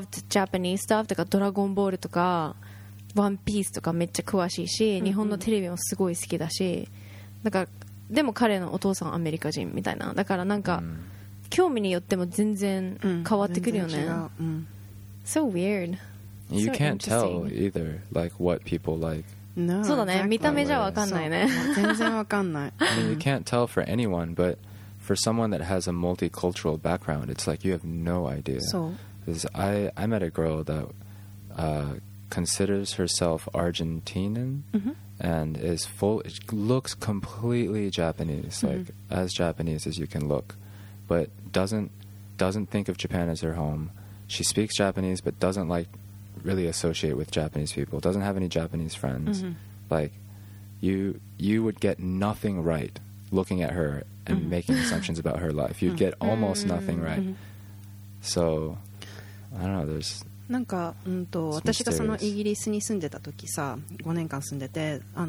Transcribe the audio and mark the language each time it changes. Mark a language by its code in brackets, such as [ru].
[en] Japanese stuff [ja] とか、ドラゴンボールとかワンピースとかめっちゃ詳しいし、日本のテレビもすごい好きだし、なんかでも彼のお父さんアメリカ人みたいな、だからなんか興味によっても全然変わってくるよね。 [en] So weird. You can't tell either like what people like. No, exactly. I mean, you can't tell for anyone, but for someone that has a multicultural background, it's like you have no idea. So, I met a girl that considers herself Argentinian and is full. It looks completely Japanese, like as Japanese as you can look, but doesn't think of Japan as her home. She speaks Japanese, but doesn't like. Really associate with Japanese people. Doesn't have any Japanese friends. Like, you would get nothing right looking at her and making assumptions about her life. You'd get almost nothing right. So, I don't know. There's [ja] なんか私がそのイギリスに住んでた時さ、5年間住んでて、